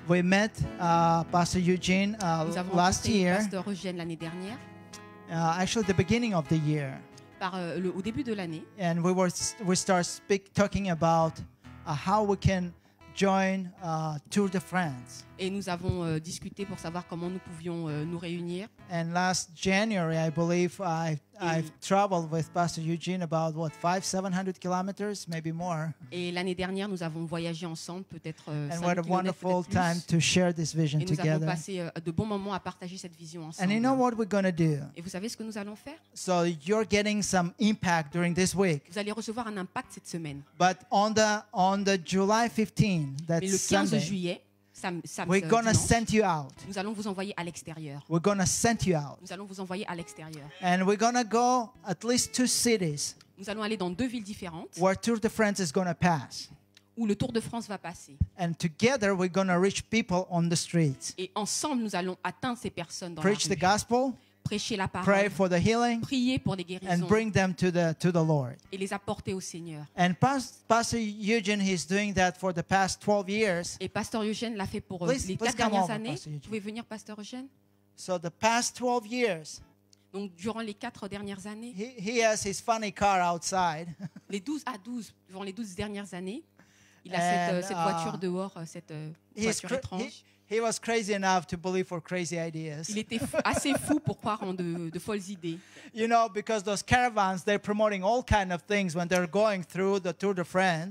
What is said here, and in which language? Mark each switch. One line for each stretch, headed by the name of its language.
English: We met Pastor Eugene last year.
French: Nous avons rencontré Pastor Eugene l'année dernière.
English: Actually, the beginning of the year.
French: Au début de l'année.
English: And we started talking about how we can join Tour de France.
French: Et nous avons discuté pour savoir comment nous pouvions nous réunir.
English: And last January, I believe I've traveled with Pastor Eugene about what 500-700 kilometers, maybe more.
French: Et l'année dernière, nous avons voyagé ensemble, peut-être.
English: And what a wonderful time to share this vision together.
French: Et nous avons passé de bons moments à partager cette vision ensemble.
English: And you know what we're going to do?
French: Et vous savez ce que nous allons faire?
English: So you're getting some impact during this week.
French: Vous allez recevoir un impact cette semaine.
English: But on the July 15th, that's Sunday.
French: Mais le 15 juillet.
English: We're gonna send you out.
French: Nous allons vous envoyer à l'extérieur.
English: We're gonna send you out.
French: Nous allons vous envoyer à l'extérieur.
English: And we're gonna go at least two cities.
French: Nous allons aller dans deux villes différentes.
English: Where Tour de France is gonna pass.
French: Où le Tour de France va passer.
English: And together we're gonna reach people on the streets.
French: Et ensemble nous allons atteindre ces personnes dans
English: Preach
French: la rue.
English: Preach the gospel.
French: Prêcher la parole.
English: Pray for the healing.
French: Prier pour les guérisons.
English: And bring them to the Lord.
French: Et les apporter au Seigneur.
English: And Pastor Eugene, he's doing that for the past 12 years.
French: Et Pastor Eugene l'a fait pour les 4 dernières années. Vous pouvez venir, Pastor Eugene.
English: So the past 12 years.
French: Donc durant les 4 dernières années.
English: He has his funny car outside.
French: Les 12 à 12 durant les 12 dernières années. Il a cette voiture dehors, cette voiture étrange.
English: He was crazy enough to believe for crazy ideas.
French: Il était assez fou pour croire en de folles idées.
English: You know, because those caravans, they're promoting all kinds of things when they're going through the Tour de France.